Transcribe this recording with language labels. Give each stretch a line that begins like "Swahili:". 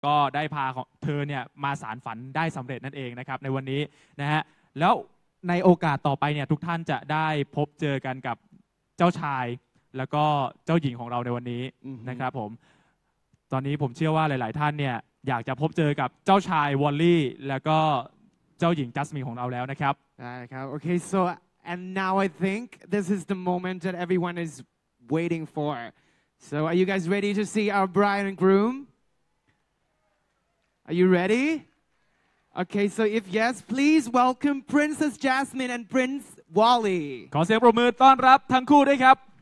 Thai: ก็ได้พาของเธอเนี่ยมาสารฝันได้สำเร็จนั่นเองนะครับในวันนี้นะฮะแล้วในโอกาสต่อไปเนี่ยทุกท่านจะได้พบเจอกันกับเจ้าชายแล้วก็เจ้าหญิงของเราในวันนี้ นะครับผมตอนนี้ผมเชื่อว่าหลายๆท่านเนี่ยอยากจะพบเจอกับเจ้าชายวอลลี่แล้วก็เจ้าหญิงจัสมินของเราแล้วนะครับ ใช่ครับโอเค
English: so and now I think this is the moment that everyone is waiting for so are you guys ready to see our bride and groom are you ready okay so if yes please welcome Princess Jasmine and Prince Wally
Thai: ขอเสียงปรบมือต้อนรับทั้งคู่ด้วยครับ